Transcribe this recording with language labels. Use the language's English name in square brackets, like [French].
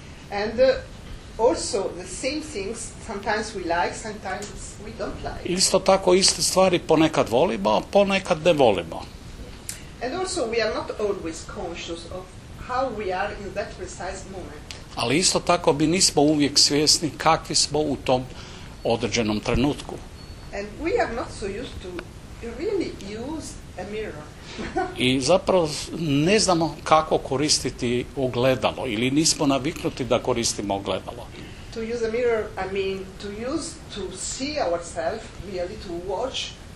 [English] And also the same things sometimes we like, sometimes we don't like. [Croatian] Isto tako iste stvari ponekad volimo, ponekad ne volimo. [English] And also we are not always conscious of how we are in that precise moment. [Croatian] Ali isto tako mi nismo uvijek svjesni kakvi smo u tom određenom trenutku. [English] And we are not so used to really use a mirror. [Croatian] I zapravo ne znamo kako koristiti ogledalo ili nismo naviknuti da koristimo ogledalo. [English] To use a mirror, I mean to use to see ourselves, really to watch.